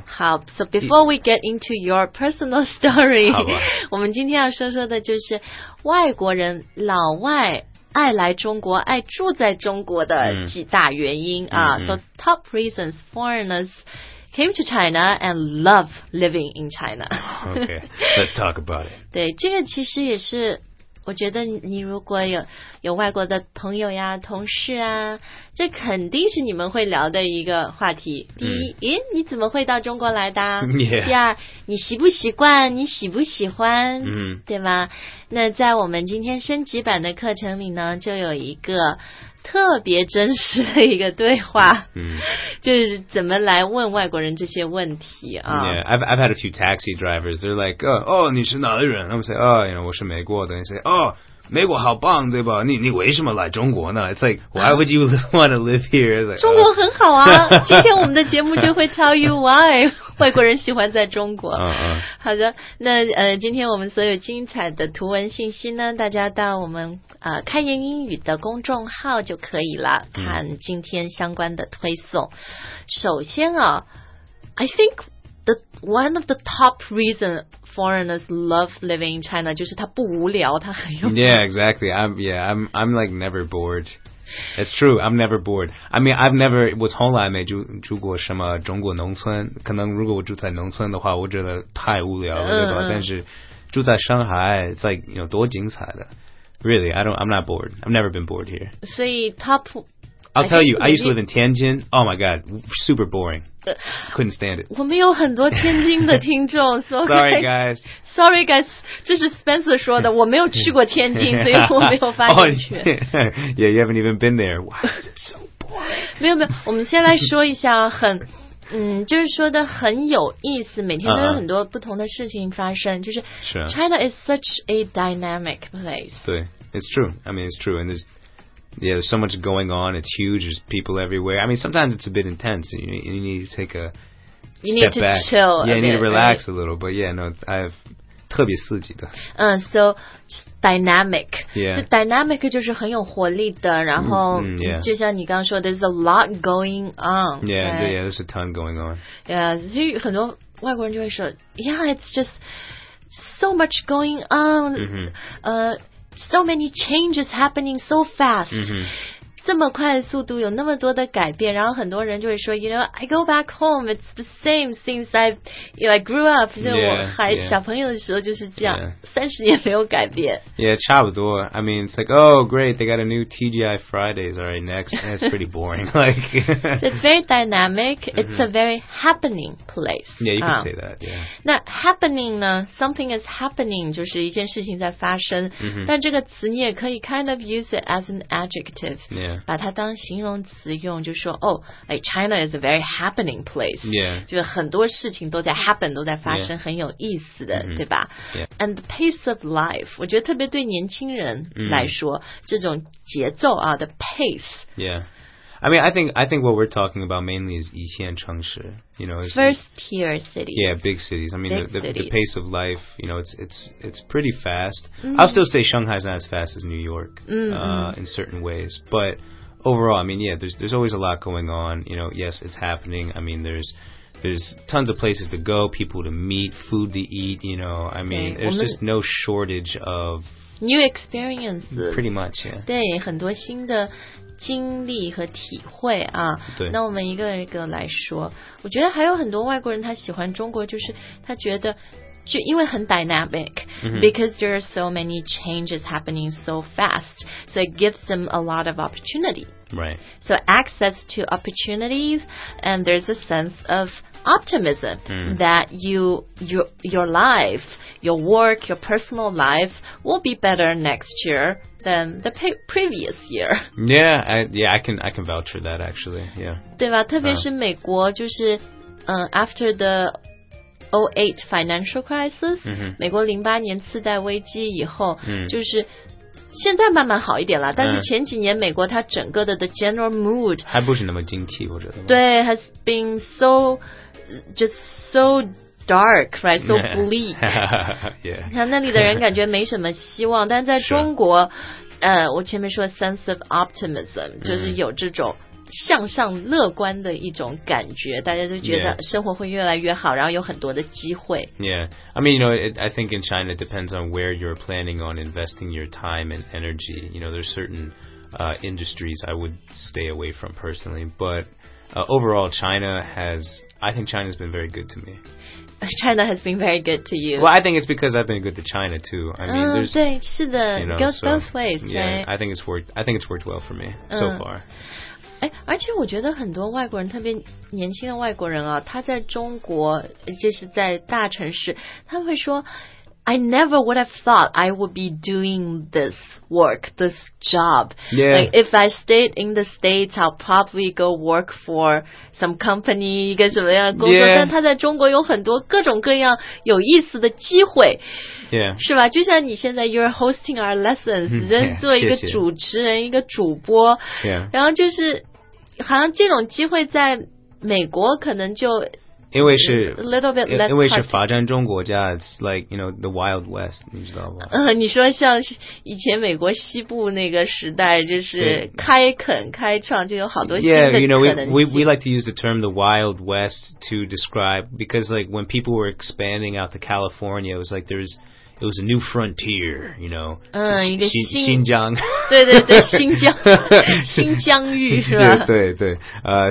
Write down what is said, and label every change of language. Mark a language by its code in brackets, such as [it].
[zh] 好 , [en] so before we get into your personal story, [zh] 我们今天要说说的就是外国人老外爱来中国爱住在中国的几大原因啊。 [en] So top reasons foreigners came to China and love living in China. Okay, let's talk about it. [zh] 对，这个其实也是我觉得你如果有外国的朋友呀同事啊，这肯定是你们会聊的一个话题。第一，你怎么会到中国来的？第二，你习不习惯？你喜不喜欢？对吗？那在我们今天升级版的课程里呢，就有一个特别真实的一个对话，就是怎么来问外国人这些问题啊。 [en] I've had a few taxi drivers, they're like, oh, [zh] 你是哪里人？ [en] I'm saying, oh, you know, [zh] 我是美国的。 [en] They say, oh, [zh] 美国好棒，对吧？你为什么来中国呢？ [en] It's like, why would you want to live here? Like, [zh] 中国很好啊，今天我们的节目就会 [en] tell you why [zh] 外国人喜欢在中国。好的，那今天我们所有精彩的图文信息呢，大家到我们开言英语的公众号就可以了，看今天相关的推送。首先啊 [en] ，I think the one of the top reason foreigners love living in China [zh] 就是他不无聊，他很有。 [en] Yeah, exactly. I'm like never bored. It's true. I'm never bored. I mean, I've never [zh] 我从来没住过什么中国农村。可能如果我住在农村的话，我觉得太无聊了，对吧？但是住在上海， [en] it's like, you know, [zh] 多精彩的。 [en] Really, I'm not bored. I've never been bored here. So, top... I'll tell you, I used to live in Tianjin. Oh my god, super boring. Couldn't stand it. [zh] 我们有很多天津的听众 [en] so Sorry guys. Sorry guys, [zh] 这是 Spencer 说的，我没有去过天津，所以我没有发言权。 [en] Yeah, you haven't even been there. Why is it so boring? [zh] 没有没有，我们先来说一下很就是说的很有意思，每天都有很多不同的事情发生。就是 [en] China is such a dynamic place. [zh] 对 [en] ，it's true. I mean, it's true. And there's so much going on. It's huge. There's people everywhere. I mean, sometimes it's a bit intense. You need to take a you need to back. Chill. Yeah, you need bit, to relax、 right? a little. But yeah, no, I've [zh] 特别刺激的。 [en] So dynamic. Yeah. So dynamic [zh] 就是很有活力的，然后就像你刚刚说 ， [en] there's a lot going on. Yeah,、 right? yeah, there's a ton going on. Yeah, [zh] 所以很多外国人就会说 [en] ，Yeah, it's just so much going on. So many changes happening so fast.、 [zh] 这么快的速度，有那么多的改变，然后很多人就会说 [en] ，You know, I go back home. It's the same since I, you know, I grew up. [zh] 就我还小朋友的时候就是这样，三十年没有改变。 Yeah, 差不多。 [en] I mean, it's like, oh, great, they got a new TGI Fridays. All right, next. It's pretty boring. Like, it's very dynamic. It's a very happening place. Yeah, you can say that. Yeah. [zh] 那 happening 呢 ？ [en] Something is happening， [zh] 就是一件事情在发生。但这个词你也可以 [en] kind of use it as an adjective。 Yeah. [zh] 把它当形容词用，就说哦，哎 ， [en] China is a very happening place. Yeah. [zh] 就很多事情都在 happen， 都在发生， [en] yeah. [zh] 很有意思的，对吧 [en] ？Yeah. And the pace of life， [zh] 我觉得特别对年轻人来说，这种节奏啊 ， [en] the pace. Yeah. I mean, I think what we're talking about mainly is [zh] 一线城市 [en] you know, first tier cities. Yeah, big cities. I mean, the pace of life, you know, it's pretty fast. I'll still say Shanghai's not as fast as New York, in certain ways. But overall, I mean, yeah, there's always a lot going on. You know, yes, it's happening. I mean, there's tons of places to go, people to meet, food to eat. You know, I mean, there's just no shortage of new experiences. Pretty much, yeah. [zh] 对，很多新的经历和体会啊，对，那我们一个一个来说，我觉得还有很多外国人他喜欢中国，就是他觉得就因为很 dynamic、 [en] because there are so many changes happening so fast, so it gives them a lot of opportunity. Right. So access to opportunities, and there's a sense of optimism that your life, your work, your personal life will be better next year than the previous year. Yeah, I can vouch for that, actually. Yeah. [zh] 对吧？特别是美国，就是 [en] after the 08 financial crisis, [zh] 美国08年次贷危机以后，就是现在慢慢好一点了，但是前几年美国它整个的 [en] the general mood [zh] 还不是那么精气，我觉得。对 [en] ，has been so just so dark, right? So bleak. Yeah. [zh] 像那里的人感觉没什么希望，但在中国，我前面说 [en] sense of optimism [zh] 就是有这种向上乐观的一种感觉，大家都觉得生活会越来越好，然后有很多的机会。 [en] Yeah, I mean, you know, I think in China it depends on where you're planning on investing your time and energy. You know, there's certain industries I would stay away from personally, but overall, China has, I think China's been very good to me. China has been very good to you. Well, I think it's because I've been good to China, too. I mean, there's, [zh] 对，是的, [en] you know, goes both ways, yeah, right? I think it's worked well for me so far. [zh] 而且我觉得很多外国人，特别年轻的外国人啊，他在中国，就是在大城市，他会说 [en] I never would have thought I would be doing this work, this job. Yeah. Like, if I stayed in the States, I'll probably go work for some company, [zh] 一个什么样的工作。 [en] Yeah. [zh] 但他在中国有很多各种各样有意思的机会。 [en] Yeah. [zh] 是吧？就像你现在 [en] you're hosting our lessons, [zh] 人做一个主持人，一个主播。 [en] Yeah. [zh] 然后就是好像这种机会在美国可能就因为是 [en] a little bit less [zh] 因为是发展中国家 [en] it's like, you know, the Wild West, [zh] 你知道吧？你说像以前美国西部那个时代就是开垦开创就有好多新的可能性。 [en] Yeah, you know, we like to use the term the Wild West to describe, because like when people were expanding out to California, it was like it was a new frontier, you know. [zh] 新疆。对对对，新疆，新疆域是吧？对对对。